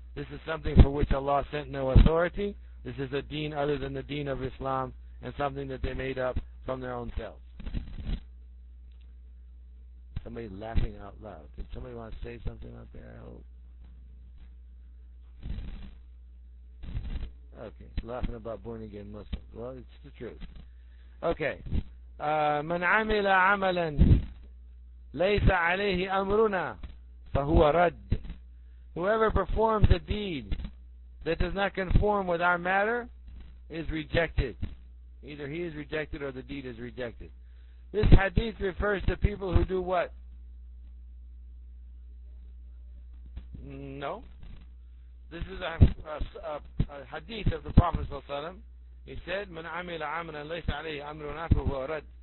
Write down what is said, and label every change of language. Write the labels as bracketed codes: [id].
[en] This is something for which Allah sent no authority. This is a deen other than the deen of Islam and something that they made up from their own selves. Somebody laughing out loud. Did somebody want to say something out there? I hope. Okay, laughing about born again Muslims. Well, it's the truth. Okay. [ar] من عمل عملا ليس عليه أمرنا فهو رد. [en] Whoever performs a deed that does not conform with our matter is rejected. Either he is rejected or the deed is rejected. This hadith refers to people who do what? No. This is a hadith of the Prophet ﷺ. He said, [ar] مَنْ عَمِلَ عَمْلًا لَيْسَ عَلَيْهِ أَمْرٌ فَهُوَ رَدٌ.